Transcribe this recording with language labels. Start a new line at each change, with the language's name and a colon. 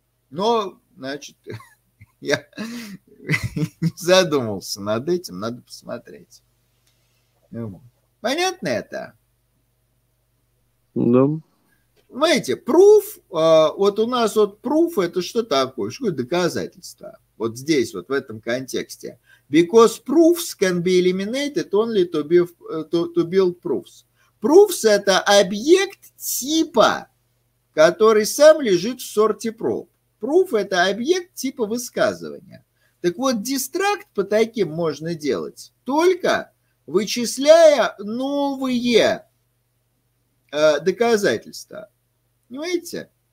Russian: Но, значит, я не задумался над этим. Надо посмотреть. Понятно это? Да. Понимаете, proof, вот у нас вот proof это что такое? Что это доказательство? Вот здесь, вот в этом контексте.
English: Because proofs can be eliminated only to build proofs. Proofs
Russian: это объект типа, который сам лежит в сорте проб. Proof – это объект типа высказывания. Так вот, дистракт по таким можно делать, только вычисляя новые доказательства. Понимаете?